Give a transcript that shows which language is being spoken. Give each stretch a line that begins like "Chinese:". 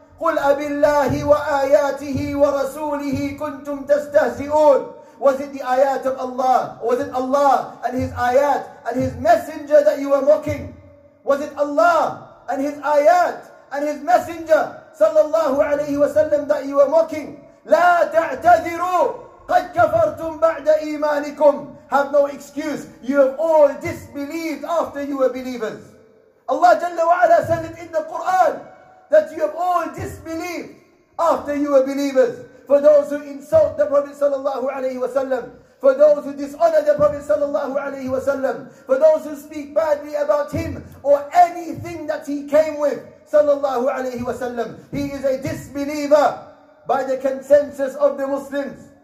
Arabic: قُلْ أَبِاللَّهِ وَآيَاتِهِ وَرَسُولِهِ كُنْتُمْ تَسْتَهْزِئُونَ.
English: Was it the ayat of Allah? Or was it Allah and his ayat and his messenger that you were mocking? Was it Allah and his ayat and his messenger sallallahu alayhi wa sallam that you were mocking?
Arabic: لا تعتذروا قد كفرتم بعد إيمانكم.
English: Have no excuse. You have all disbelieved after you were believers. Allah Jalla wa Ala said it in the Quran that you have all disbelieved after you were believers. For those who insult the Prophet sallallahu alayhi wa sallam, for those who dishonor the Prophet sallallahu alayhi wa sallam, for those who speak badly about him or anything that he came with sallallahu alayhi wa sallam, he is a disbeliever by the consensus of the Muslims.